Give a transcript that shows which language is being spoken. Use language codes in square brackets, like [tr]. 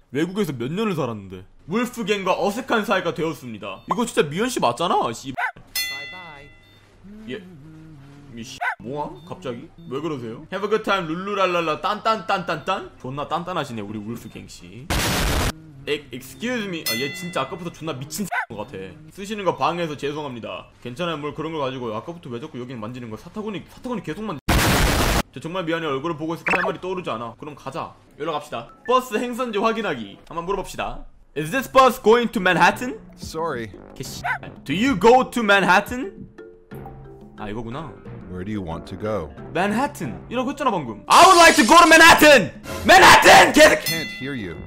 [ko] 외국에서 몇 년을 살았는데. 울프갱과 어색한 사이가 되었습니다. 이거 진짜 미연씨 맞잖아, 씨발. 바이바이. 예. 이씨 뭐함? 갑자기? 왜 그러세요? [en] Have a good time, 룰루랄랄라, 딴딴딴딴딴? [ko] 존나 딴딴하시네, 우리 울프갱씨. [en] Excuse me. [ko] 아, 얘 진짜 아까부터 존나 미친 X인 것 같아. 쓰시는 거 방해해서 죄송합니다. 괜찮아요, 뭘 그런 걸 가지고. 아까부터 왜 자꾸 여긴 만지는 거야? 사타구니 계속 만지. 저 정말 미안해. 얼굴을 보고 있을 때 한 마디 떠오르지 않아. 그럼 가자. 연락 갑시다. 버스 행선지 확인하기. 한번 물어봅시다. [en] Is this bus going to Manhattan? Sorry. 개씨. Do you go to Manhattan? [ko] 아 이거구나. [en] Where do you want to go? [ko] Manhattan. 이러고 했잖아 방금. [en] I would like to go to Manhattan. Manhattan. I can't hear you.